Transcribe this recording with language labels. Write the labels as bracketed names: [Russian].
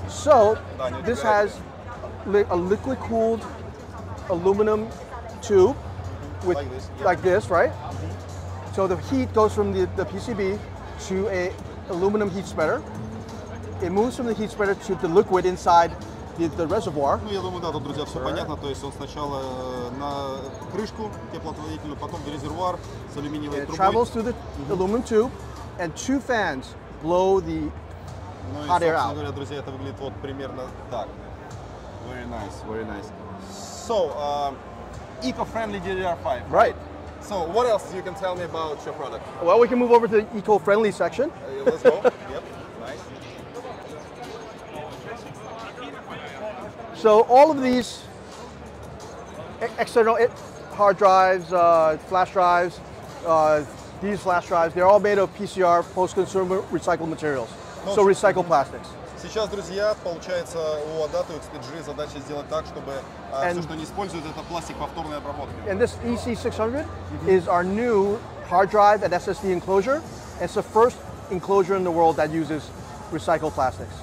[English] So this has a liquid cooled aluminum tube with like this, right? So the heat goes from the PCB to a aluminum heat spreader. It moves from the heat spreader to the liquid inside the reservoir. [Russian] Ну, я думаю, да, тут, друзья, все понятно. То есть он сначала на крышку теплоотводителю, потом в резервуар с алюминиевой трубой. [English] It travels through the aluminum tube, and two fans blow the hot air out. [Russian] Ну, говоря, друзья, это выглядит вот примерно так. [English] Very nice, very nice. So, eco-friendly DDR5. Right. So what else you can tell me about your product? Well, we can move over to the eco-friendly section. Let's go. Yep, nice. So all of these external hard drives, flash drives, these flash drives, they're all made of PCR, post-consumer recycled materials. So recycled plastics. [Russian] Сейчас, друзья, получается у Adato XPG задача сделать так, чтобы все, что не используют, это пластик повторной обработки. [English] And this EC600 is our new hard drive and SSD enclosure. It's the first enclosure in the world that uses recycled plastics.